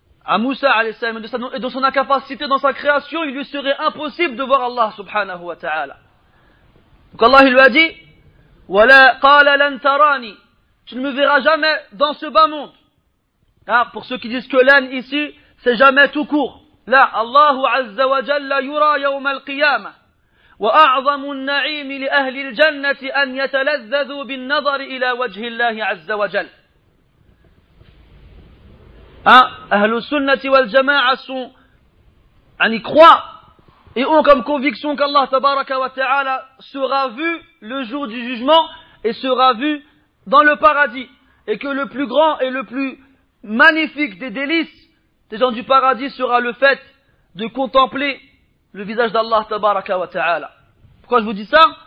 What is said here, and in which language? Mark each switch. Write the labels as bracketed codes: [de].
[fr] à Moussa alayhi salam et de son incapacité dans sa création, il lui serait impossible de voir Allah subhanahu wa ta'ala. Donc Allah lui a dit, [ar] وَلَا قَالَ لَن تَرَانِي, [fr] tu ne me verras jamais dans ce bas monde. Hein, pour ceux qui disent que l'an ici, c'est jamais tout court. [ar] Là, Allahu Azza wa Jalla yura yawm al-qiyama. وأعظم النعيم لأهل الجنة أن يتلذذوا بالنظر إلى وجه الله عز وجل. أهل السنة والجماعة يعني [fr] croient et ont comme conviction qu'Allah تبارك وتعالى sera vu le jour du jugement et sera vu dans le paradis, et que le plus grand et le plus magnifique des délices des gens du paradis sera le fait de contempler le visage d'Allah تبارك وتعالى. Pourquoi je vous dis ça?